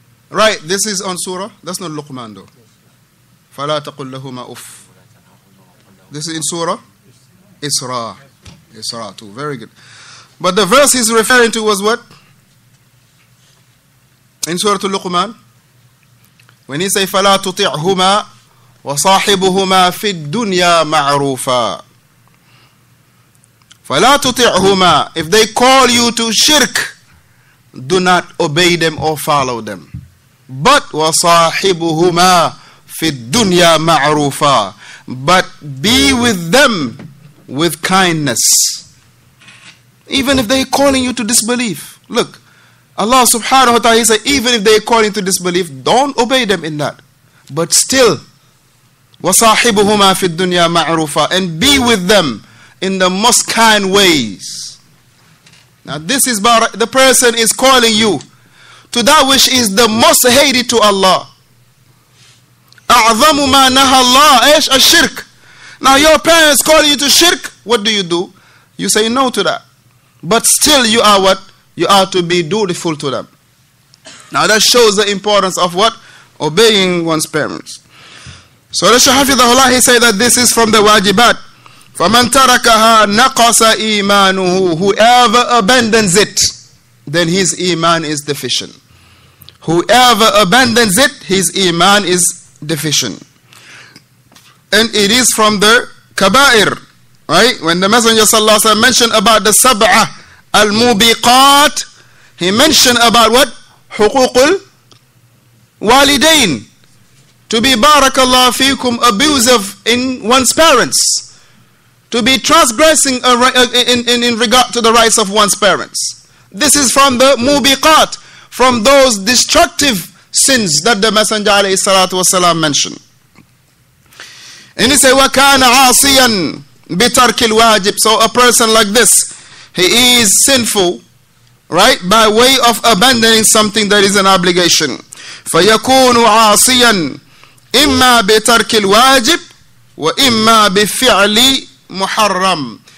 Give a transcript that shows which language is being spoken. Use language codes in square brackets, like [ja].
[en] Right, this is on Surah. That's not Luqman though. [ar] فَلَا تَقُلْ لَهُمَا أُفْ. [en] This is in Surah Isra. Isra too. Very good. But the verse he's referring to was what? In Surah Al-Luqman. When he say, [ar] فَلَا تُطِعْهُمَا وَصَاحِبُهُمَا فِي الدُّنْيَا مَعْرُوفًا. فَلَا تُطِعْهُمَا. [en] If they call you to shirk, do not obey them or follow them. But [ar] وَصَاحِبُهُمَا فِي الدُّنْيَا مَعْرُوفًا. [en] But be with them with kindness. Even if they're calling you to disbelief. Look, Allah subhanahu wa ta'ala, he said, even if they're calling you to disbelief, don't obey them in that. But still, [ar] وَصَاحِبُهُمَا فِي الدُّنْيَا مَعْرُوفًا. [en] And be with them in the most kind ways. Now this is about the person is calling you to that which is the most hated to Allah. [ar] أعظم ما نهى الله إيش الشرك. [en] Now your parents call you to shirk, what do? You say no to that. But still you are what? You are to be dutiful to them. Now that shows the importance of what? Obeying one's parents. So the Shahafidahullah, he said that this is from the wajibat. [ar] فَمَنْ تَرَكَهَا نَقَصَ إِيمَانُهُ. [en] Whoever abandons it, then his iman is deficient. Whoever abandons it, his iman is deficient. And it is from the kabair, right? When the Messenger sallallahu alaihi wasallam mentioned about the sab'a al-mubiqat, he mentioned about what? Huququl walidain. To be barakallahu fikum abusive in one's parents. To be transgressing in regard to the rights of one's parents. This is from the mubiqat, from those destructive sins that the Messenger alayhi salatu wasalam mentioned. And he said, [ar] وَكَانَ عَاصِيًا بِتَرْكِ الْوَاجِبِ. [en] So a person like this, he is sinful, right? By way of abandoning something that is an obligation. [ar] فَيَكُونُ عَاصِيًا إِمَّا بِتَرْكِ الْوَاجِبِ وَإِمَّا بِفِعْلِ مُحَرَّمٍ.